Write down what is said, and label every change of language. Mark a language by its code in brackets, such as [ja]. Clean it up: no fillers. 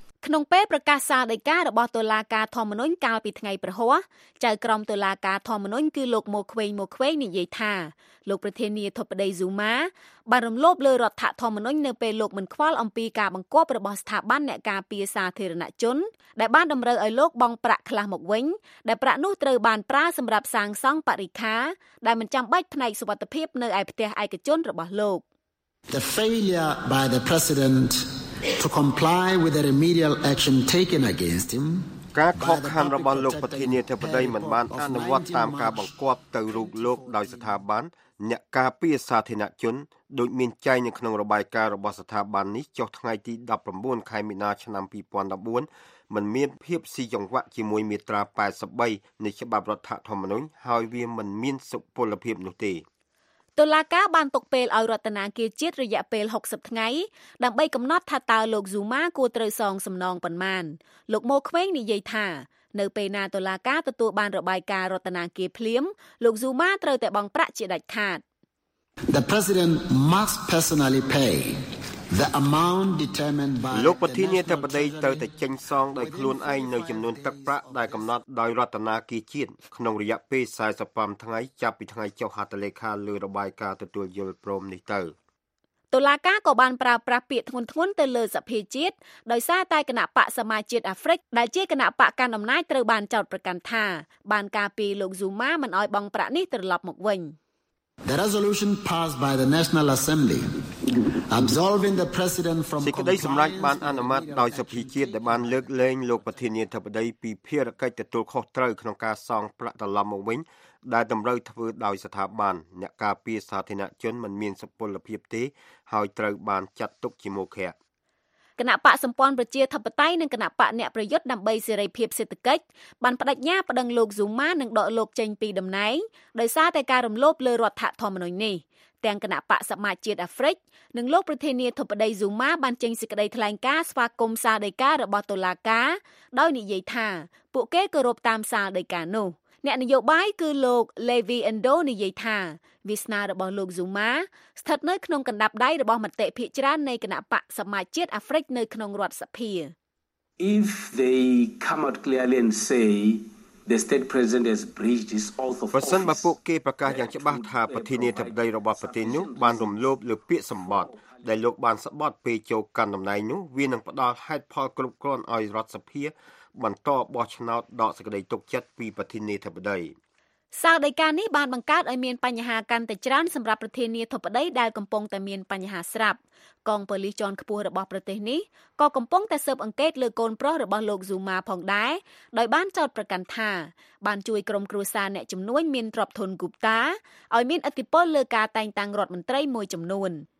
[km] ក្នុងពេលប្រកាសសាលដីការបស់តុលាការធម្មនុញ្ញកាលពីថ្ងៃព្រហស្បតិ៍ចៅក្រមតុលាការធម្មនុញ្ញគឺលោកមូខ្វេងនិយាយថាលោកប្រធានាធិបតី Zuma បានរំលោភលើរដ្ឋធម្មនុញ្ញនៅពេលលោកមិនខ្វល់អំពីការបង្គាប់របស់ស្ថាប័នអ្នកការពារសាធារណជនដែលបានតម្រូវឲ្យលោកបង់ប្រាក់ខ្លះមកវិញដែលប្រាក់នោះត្រូវបានប្រើសម្រាប់សាងសង់បរិក្ខារដែលមិនចាំបាច់ផ្នែកសុវត្ថិភាពនៅឯផ្ទះឯកជនរបស់លោក [en] The failure by the presidentTo comply with the remedial action taken against him [km] ការខកខានរបស់លោកប្រធានាធិបតីមិនបានអនុវត្តតាមការបង្គាប់ទៅរូបលោកដោយស្ថាប័នអ្នកការពារសាធារណជនដោយមានចែងនៅក្នុងរបាយការណ៍របស់ស្ថាប័ននេះចុះថ្ងៃទី19ខែមីនាឆ្នាំ2014មិនមានភាពស៊ីចង្វាក់ជាមួយមាត្រា83នៃច្បាប់រដ្ឋធម្មនុញ្ញហើយវាមិនមានសុពលភាពនោះទេ តុលាការបានទុកពេលឲ្យរដ្ឋនាគារជាតិរយៈពេល60ថ្ងៃដើម្បីកំណត់ថាតើលោក Zuma គួរត្រូវសងសំណងប៉ុន្មានលោកមូខ្វេងនិយាយថានៅពេលណាតុលាការទទួលបានរបាយការណ៍រដ្ឋនាគារភ្លាមលោក Zuma ត្រូវតែបង់ប្រាក់ជាដាច់ខាត [en] The president must personally pay the amount determined by [km] លោកប្រធានាធិបតីត្រូវតែចេញសងដោយខ្លួនឯងនៅចំនួនទឹកប្រាក់ដែលកំណត់ដោយរដ្ឋនាគារជាតិក្នុងរយៈពេល45ថ្ងៃចាប់ពីថ្ងៃចុះហត្ថលេខាលើរបាយការណ៍ទទួលយល់ព្រមនេះទៅ តុលាការក៏បានប្រើប្រាស់ពាក្យធ្ងន់ធ្ងរទៅលើសភាជាតិដោយសារតែគណៈបកសមាជិកអាហ្វ្រិកដែលជាគណៈបកកាន់អំណាចត្រូវបានចោទប្រកាន់ថាបានការពារលោក Zuma មិនឲ្យបង់ប្រាក់នេះត្រឡប់មកវិញ [en] The resolution passed by the National Assembly absolving the president from [km] សេចក្តីសម្រេចបានអនុម័តដោយសភាជាតិដែលបានលើកលែងលោកប្រធានាធិបតីពីភារកិច្ចទទួលខុសត្រូវក្នុងការសងប្រាក់ត្រឡប់មកវិញដែលតម្រូវធ្វើដោយស្ថាប័នអ្នកការពារសាធារណជនមិនមានសពលភាពទេហើយត្រូវបានចាត់ទុកជាមោឃៈ គណៈបកសម្ព័ន្ធប្រជាធិបតេយ្យនិងគណៈបកអ្នកប្រយុទ្ធដើម្បីសេរីភាពសេដ្ឋកិច្ចបានបដិញ្ញាប្តឹងលោក Zuma និងដកលោកចេញពីតំណែងដោយសារតែការរំលោភលើរដ្ឋធម្មនុញ្ញនេះទាំងគណៈបកសមាជជាតិអាហ្វ្រិកនិងលោកប្រធានាធិបតី Zuma បានចេញសេចក្តីថ្លែងការណ៍ស្វាគមន៍សាលដីការរបស់តុលាការ ដោយនិយាយថាពួកគេគោរពតាមសាលដីការនោះអ្នកនយោបាយគឺលោក Levi Endo និយាយថាវាសនារបស់លោក Zuma ស្ថិតនៅក្នុងកណ្ដាប់ដៃរបស់មតិភាគច្រើននៃគណៈបកសមាជជាតិអាហ្វ្រិកនៅក្នុងរដ្ឋសភា [en] If they come out clearly and say the state president has breached his oath of office [km] ពួកគេប្រកាសយ៉ាងច្បាស់ថាប្រធានាធិបតីរបស់ប្រទេសនោះបានរំលោភលើពាក្យសម្បត្តិដែលលោកបានសម្បត្តិពេលចូលកាន់តំណែងនោះវានឹងផ្ដល់ហេតុផលគ្រប់គ្រាន់ឲ្យរដ្ឋសភាបន្តបោះឆ្នោតដកសេចក្តីទុកចិត្តពីប្រធានាធិបតី សាលដីការនេះបានបង្កើតឲ្យមានបញ្ហាកាន់តែច្រើនសម្រាប់ប្រធានាធិបតីដែលកំពុងតែមានបញ្ហាស្រាប់កងប៉ូលីសជាន់ខ្ពស់របស់ប្រទេសនេះក៏កំពុងតែស៊ើបអង្កេតលើកូនប្រុសរបស់លោក Zuma ផងដែរដោយបានចោទប្រកាន់ថាបានជួយក្រុមគ្រួសារអ្នកជំនួញមានទ្រព្យធន Gupta ឲ្យមានឥទ្ធិពលលើការតែងតាំងរដ្ឋមន្ត្រីមួយចំនួន